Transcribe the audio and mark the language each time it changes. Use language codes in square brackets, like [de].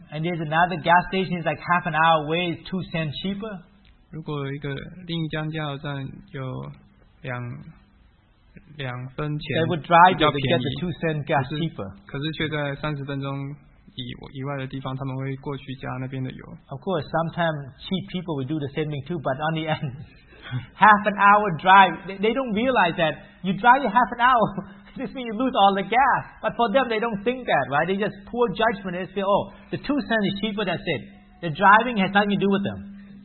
[en] and there's another gas station that's like half an hour away, it's 2 cents cheaper. [zh] 如果另一家加油站有两 [en] They would drive you to get the 2 cent gas cheaper. [zh] 可是却在30分钟以外的地方，他们会过去加那边的油。 [en] Of course, sometimes cheap people would do the same thing too, but on the end, half an hour drive, they don't realize that you drive you half an hour, this means you lose all the gas. But for them, they don't think that, right? They just poor judgment. They feel, oh, the 2 cents is cheaper, that's it. The driving has nothing to do with them.